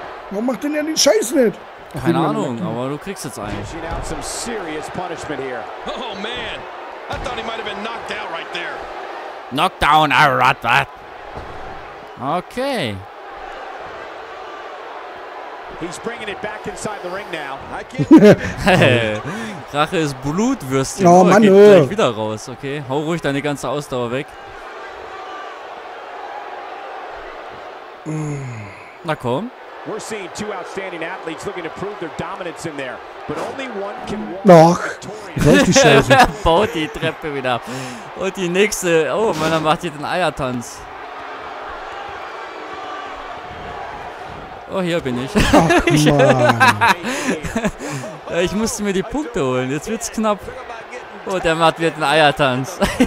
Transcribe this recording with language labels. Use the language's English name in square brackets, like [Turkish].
[German] Warum macht denn er den Scheiß nicht? Keine Ahnung, aber du kriegst jetzt einen. [English] Oh man, I thought he might have been knocked out right there. Knockdown, I rot that. Okay. He's bringing it back inside the ring now. I can't. [German] Rache ist Blutwürstchen. Oh, Mann, geht gleich wieder raus, okay? Hau ruhig deine ganze Ausdauer weg. Na komm. [English] We're seeing two outstanding athletes looking to prove their dominance in there, but only one can walk. [German] Noch. Baut die Treppe wieder. Und die nächste. Oh, man, dann macht ihr den Eiertanz. Oh, hier bin ich. Ach, Mann. Ich musste mir die Punkte holen. Jetzt wird's knapp. Oh, der macht wieder den Eiertanz.